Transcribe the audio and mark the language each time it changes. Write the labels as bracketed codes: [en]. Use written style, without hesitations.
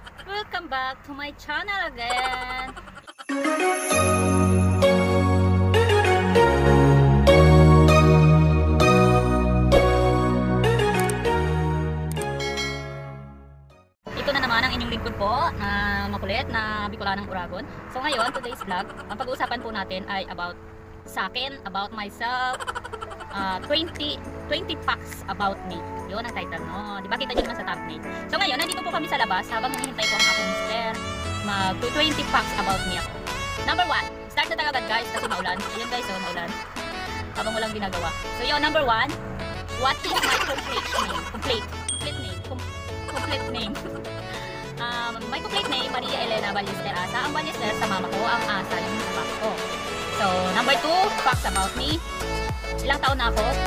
[en] Welcome back to my channel again. [tl] Ito na naman ang inyong lingkod po na makulit na Bicola ng Uragon. So ngayon, [en] today's vlog, [tl] ang pag-uusapan po natin ay about sa akin, [en] about myself. 20 facts about me. [tl] Yun ang title, no? Diba kita nyo naman sa thumbnail? So ngayon, nandito po kami sa labas habang hinihintay ko ang aking mister mag [en] 20 facts about me [tl] ako. Number 1, start na talaga guys kasi maulan. Ayun guys, oh, maulan. Habang walang ginagawa. [en] So yun, number 1, what is my complete name? Complete name. My complete name, Maria Elena Ballester Asa. [tl] Ang Ballester sa mama ko, ang asa yung mga papa ko. So, [en] number 2, facts about me. [tl] Ilang taon na ako?